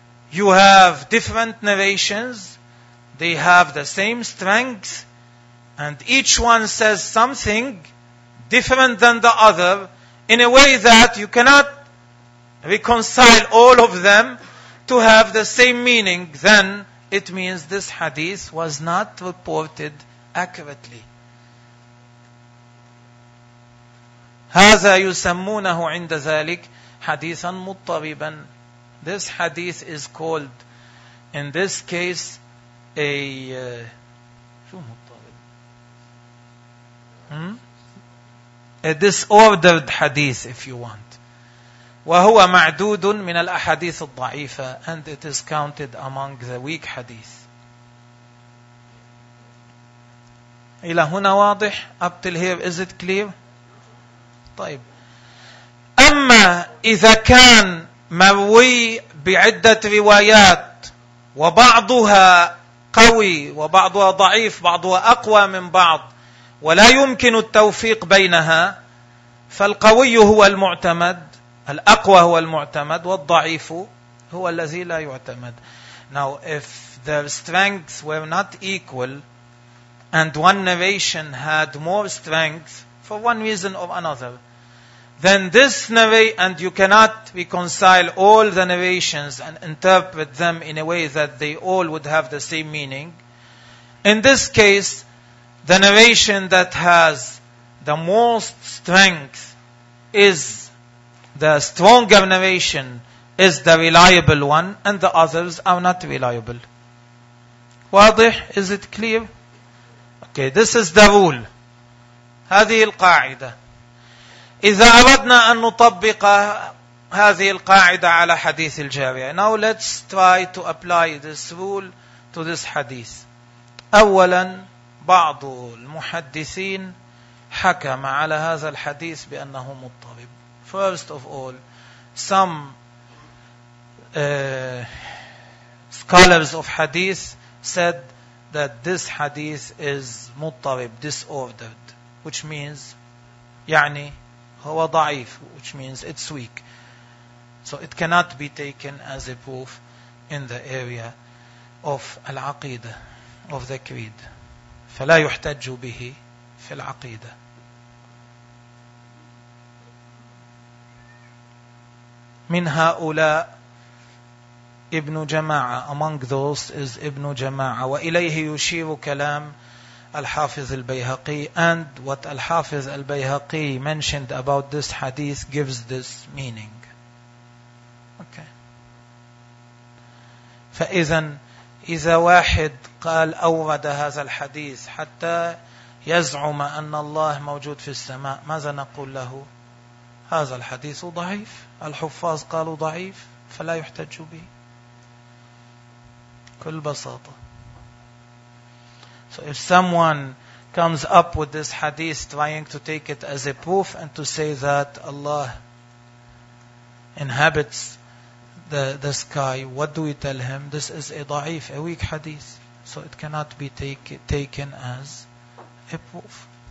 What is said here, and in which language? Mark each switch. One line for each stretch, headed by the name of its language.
English: You have different narrations, they have the same strength, and each one says something different than the other in a way that you cannot reconcile all of them to have the same meaning. Then it means this hadith was not reported accurately.
Arabic: هذا يسمونه عند ذلك حديثا مضطربا.
English: This hadith is called in this case a a disordered hadith, if you want.
Arabic: وهو معدود من الأحاديث الضعيفة,
English: and it is counted among the weak hadith.
Arabic: إلى هنا واضح؟
English: Up till here, is it clear?
Arabic: طيب. أما إذا كان مروي بعدة روايات وبعضها قوي وبعضها ضعيف, بعضها أقوى من بعض, ولا يمكن التوفيق بينها, فالقوي هو المعتمد, الأقوى هو المعتمد, والضعيف هو الذي لا يعتمد.
English: Now if their strengths were not equal and one narration had more strength for one reason or another, then this narrate, and you cannot reconcile all the narrations and interpret them in a way that they all would have the same meaning. In this case, the narration that has the most strength is the stronger narration, is the reliable one, and the others are not reliable.
Arabic: واضح?
English: Is it clear? Okay, this is the rule.
Arabic: هذه القاعدة. إذا أردنا أن نطبق هذه القاعدة على حديث الجارية.
English: Now let's try to apply this rule to this hadith.
Arabic: أولا, بعض المحدثين حكم على هذا الحديث بأنه مضطرب.
English: First of all, some scholars of hadith said that this hadith is مضطرب, disordered, which means
Arabic: يعني هو ضعيف,
English: which means it's weak. So it cannot be taken as a proof in the area of العقيدة, of the creed.
Arabic: فلا يحتج به في العقيدة. من هؤلاء ابن جماعة,
English: among those is
Arabic: ابن جماعة, وإليه يشير كلام الحافظ البيهقي.
English: And what الحافظ البيهقي mentioned about this hadith gives this meaning.
Arabic: فإذن إذا واحد قال أورد هذا الحديث حتى يزعم أن الله موجود في السماء, ماذا نقول له؟ هذا الحديث ضعيف, الحفاظ قالوا ضعيف, فلا يحتج به. كل بساطة.
English: So if someone comes up with this hadith trying to take it as a proof and to say that Allah inhabits the sky, what do we tell him? This is a ضعيف, a weak hadith. So it cannot be taken as a proof.